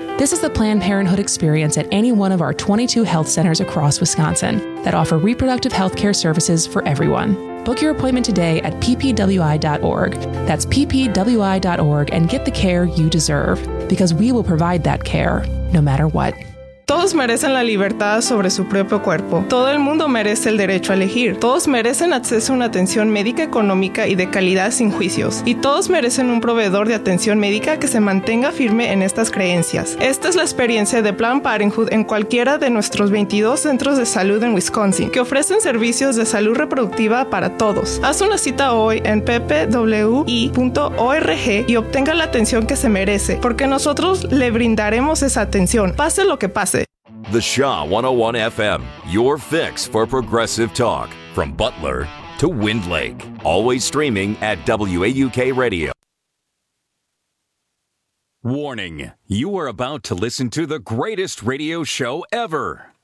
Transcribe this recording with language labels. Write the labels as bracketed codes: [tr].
[en] This is the Planned Parenthood experience at any one of our 22 health centers across Wisconsin that offer reproductive healthcare services for everyone. Book your appointment today at ppwi.org. That's ppwi.org, and get the care you deserve, because we will provide that care no matter what. [es] Todos merecen la libertad sobre su propio cuerpo. Todo el mundo merece el derecho a elegir. Todos merecen acceso a una atención médica económica y de calidad sin juicios. Y todos merecen un proveedor de atención médica que se mantenga firme en estas creencias. Esta es la experiencia de Planned Parenthood en cualquiera de nuestros 22 centros de salud en Wisconsin, que ofrecen servicios de salud reproductiva para todos. Haz una cita hoy en ppwi.org y obtenga la atención que se merece, porque nosotros le brindaremos esa atención, pase lo que pase. [en] The SHA 101 FM, your fix for progressive talk, from Butler to Windlake. Always streaming at WAUK Radio. Warning, you are about to listen to the greatest radio show ever.